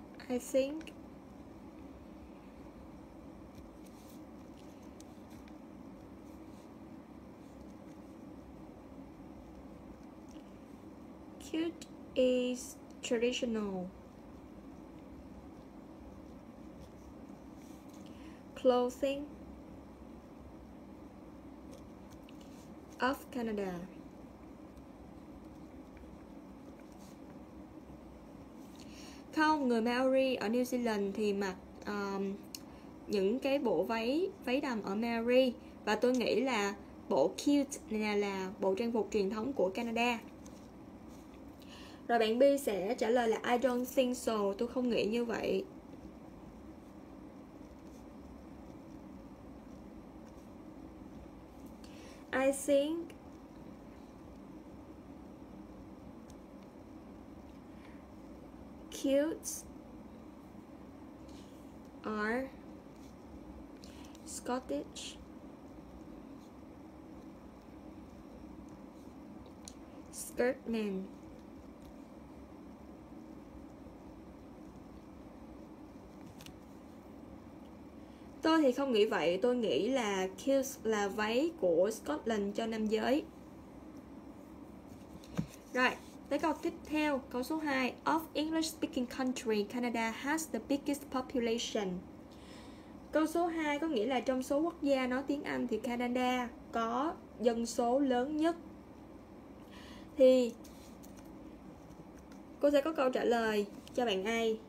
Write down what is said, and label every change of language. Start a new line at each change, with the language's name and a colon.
English: I think cute is traditional clothing of Canada.
Vietnamese: Không, người Maori ở New Zealand thì mặc những cái bộ váy đầm ở Maori. Và tôi nghĩ là bộ kilt này là bộ trang phục truyền thống của Canada. Rồi bạn B sẽ trả lời là
English: I don't think so,
Vietnamese: tôi không nghĩ như vậy.
English: I think kilts are Scottish skirt men.
Vietnamese: Tôi thì không nghĩ vậy, tôi nghĩ là kilts là váy của Scotland cho nam giới. Rồi. Tới câu tiếp theo, câu số 2.
English: Of English speaking country, Canada has the biggest population.
Vietnamese: Câu số 2 có nghĩa là trong số quốc gia nói tiếng Anh thì Canada có dân số lớn nhất. Thì cô sẽ có câu trả lời cho bạn A.